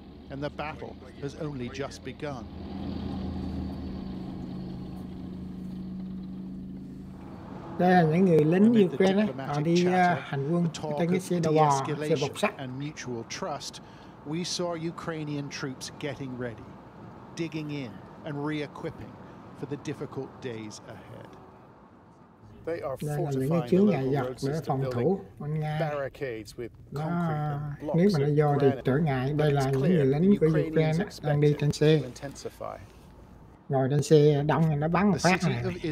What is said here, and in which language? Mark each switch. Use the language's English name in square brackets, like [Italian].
[English] And the battle has only just begun. [Vietnamese] Đây là những người lính Ukraine họ đi hành quân trên cái xe đầu bò, xe bọc sắt. [English] And mutual trust, we saw Ukrainian troops getting ready, digging in and re-equipping for the difficult days ahead. They are fortifying the local road system, building barricades with concrete and blocks of granite. [Vietnamese] Đây là những người lính của Ukraine đang đi trên xe. Ngồi trên xe đông thì nó bắn một phát này.